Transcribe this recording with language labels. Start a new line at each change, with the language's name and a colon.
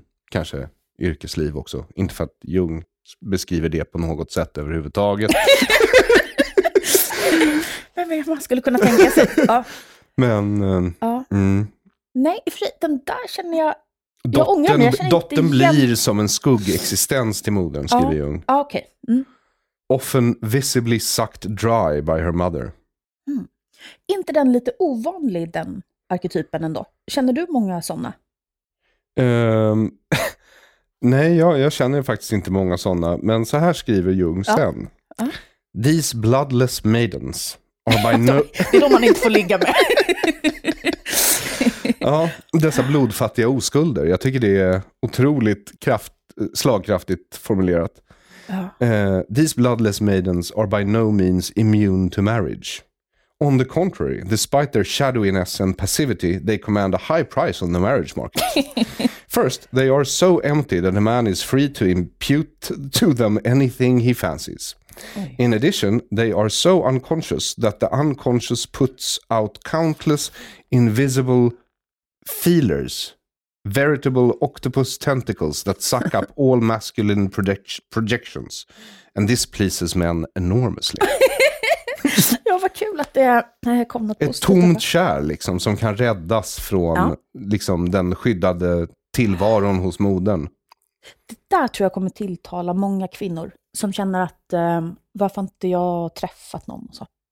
Swedish: Kanske yrkesliv också. Inte för att Jung beskriver det på något sätt överhuvudtaget. Jag vet, man skulle kunna tänka sig. Ja. Men, ja. Nej, för den där känner jag... Dottern, jag ångrar, men jag känner dottern inte blir som en skuggexistens till modern, skriver Jung. Ja, okej.
English: Often visibly sucked dry by her mother.
Swedish: Inte den lite ovanlig, den arketypen ändå? Känner du många sådana? Nej, jag känner faktiskt inte många sådana. Men så här skriver Jung sen.
English: These bloodless maidens are by no...
Swedish: Det är de man inte får ligga med. Ja, dessa blodfattiga oskulder. Jag tycker det är otroligt slagkraftigt formulerat.
English: These bloodless maidens are by no means immune to marriage. On the contrary, despite their shadowiness and passivity, they command a high price on the marriage market. First, they are so empty that a man is free to impute to them anything he fancies. In addition, they are so unconscious that the unconscious puts out countless invisible feelers, veritable octopus tentacles that suck up all masculine projections. And this pleases men enormously.
Swedish: Ja, vad kul att det kom något positivt. Ett tomt kär liksom, som kan räddas från liksom, den skyddade tillvaron hos modern. Det där tror jag kommer tilltala många kvinnor som känner att varför inte jag träffat någon? Och så.